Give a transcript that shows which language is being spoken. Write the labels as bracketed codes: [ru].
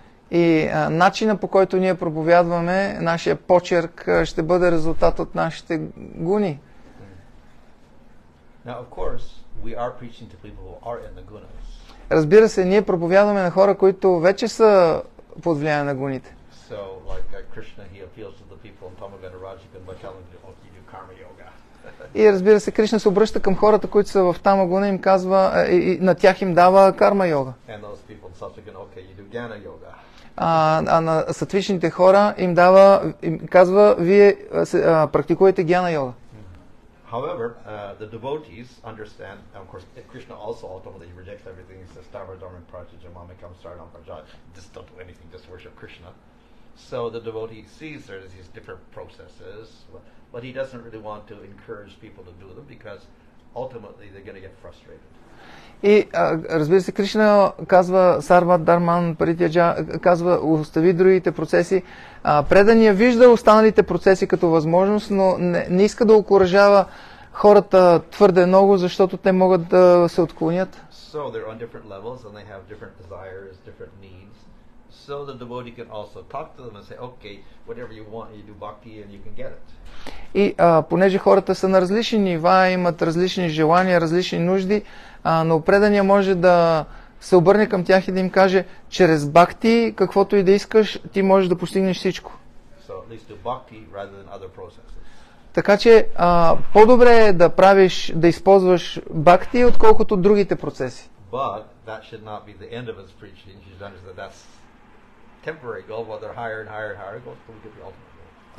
[bg] И начина, по който ние проповядваме, нашия почерк ще бъде резултат от нашите гуни. [en] Now of course we are preaching to people who are in the gunas. [bg] Разбира се, ние проповядваме на хора, които вече са под влияние на гуните. [en] So like Krishna, he appeals to the people in tamaguna rajaguna by telling them to do karma yoga. [bg] И разбира се, Кришна се обръща към хората, които са в тамагуна, им казва и на тях им дава карма йога. [en] And those people in sattvagun, okay, you do jnana yoga. [bg] А на сатвичните хора им дава, им казва, вие практикувате джнана йога. [en] However, the devotees understand, of course, Krishna also ultimately rejects everything. He says, [sa] Stavra Dharma Prajaja Mamikam Sardam Prajaja. [en] Just don't do anything, just worship Krishna. So the devotee sees there's these different processes, but he doesn't really want to encourage people to do them because ultimately they're going to get frustrated. [bg] И разбира се, Кришна казва [sa] Сарва Дарман Паритяджа, [bg] казва остави другите процеси. Предания вижда останалите процеси като възможност, но не иска да окуражава хората твърде много, защото те могат да се отклонят. [en] So they're on different levels and they have different desires, different needs. So the devotee can also talk to them and say, okay, whatever you want, you do bhakti and you can get it. [bg] И понеже хората са на различни нива, имат различни желания, различни нужди, но предания може да се обърне към тях и да им каже, чрез бхакти, каквото и да искаш, ти можеш да постигнеш всичко. [en] So, at least do bhakti rather than other processes. [bg] Така че по-добре е да правиш, да използваш бхакти, отколкото другите процеси. [en] But that should not be the end of his preaching. He understands that that's temporary goal, but they're higher and higher and higher goals, but we get the ultimate.